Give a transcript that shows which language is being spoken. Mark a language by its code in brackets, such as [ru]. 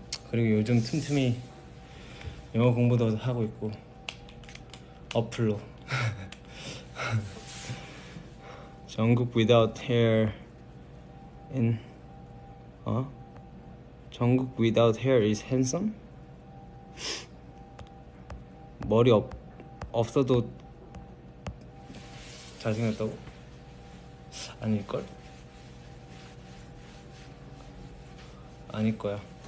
[ko] 그리고 요즘 틈틈이 영어 공부도 하고 있고 어플로 정국 [en] without hair in [ko] 어? [en] 정국 without hair is handsome? [ko] 머리 없어도 잘생겼다고? 아닐걸? 아닐 거야.